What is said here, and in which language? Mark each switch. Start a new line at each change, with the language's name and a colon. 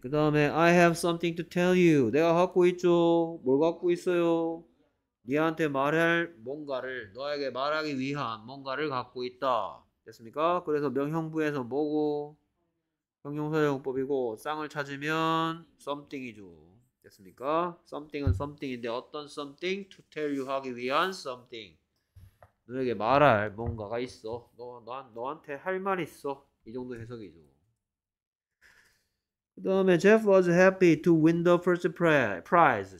Korean: 그 다음에
English: I have something to tell you.
Korean: 내가 갖고 있죠. 뭘 갖고 있어요? 니한테 말할 뭔가를 너에게 말하기 위한 뭔가를 갖고 있다. 됐습니까? 그래서 명형부에서 뭐고 형용사적용법이고 쌍을 찾으면 something이죠. 됐습니까? something은 something인데 어떤 something?
English: to tell you
Korean: 하기 위한 something. 너에게 말할 뭔가가 있어. 너한테 할 말이 있어. 이 정도 해석이죠. 그 다음에
English: Jeff was happy to win the first prize.